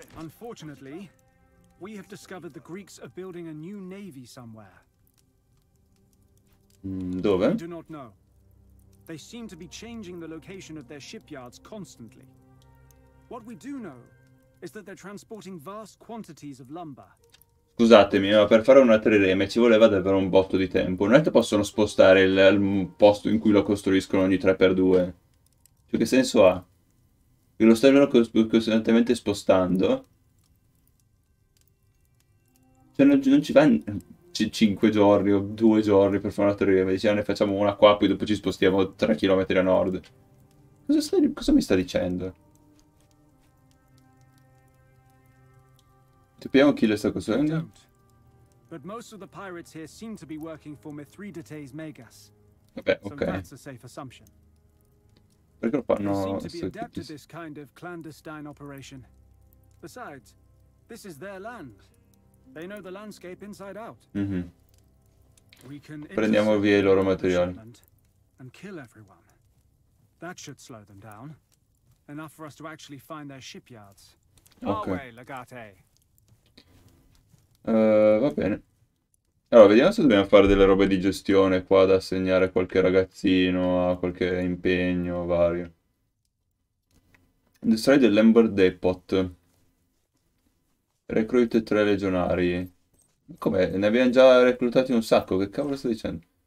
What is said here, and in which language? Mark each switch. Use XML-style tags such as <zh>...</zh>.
<en>Unfortunately, we have discovered the Greeks are building a new navy somewhere.</en> <it>Dove?</it> <en>We do not know. They seem to be changing the location of their shipyards constantly. What we do know is that they're transporting vast quantities of lumber.</en> <it>Scusatemi, ma per fare una trireme ci voleva davvero un botto di tempo. Non è che possono spostare il posto in cui lo costruiscono ogni 3x2. Cioè, che senso ha? Che lo stanno costantemente spostando? Cioè, non ci va 5 giorni o 2 giorni per fare una trireme. Dice, ne facciamo una qua, poi dopo ci spostiamo 3 km a nord. Cosa mi sta dicendo? Sappiamo chi le sta</it> <en>We don't. But most of the pirates here seem to be working for Mithridates Magus.</en> <it>Vabbè,</it> <en>so ok. That's a safe assumption.</en> <it>Perché lo</it> <en>They</en> <it>fanno</it> <en>seem to be adept at this kind of clandestine operation. Besides, this is their land. They know the landscape inside out. We can</en> <it>Prendiamo via i loro materiali.</it> <en>And kill everyone. That should slow them down. Enough for us to actually find their shipyards. Ok. Our way, Legate.</en> <it>Va bene. Allora, vediamo se dobbiamo fare delle robe di gestione qua da assegnare a qualche ragazzino, a qualche impegno vario.</it> <en>Destroy the Lumber Depot.</en> <it>Recruit 3 legionari. Com'è? Ne abbiamo già reclutati un sacco, che cavolo sto dicendo?</it>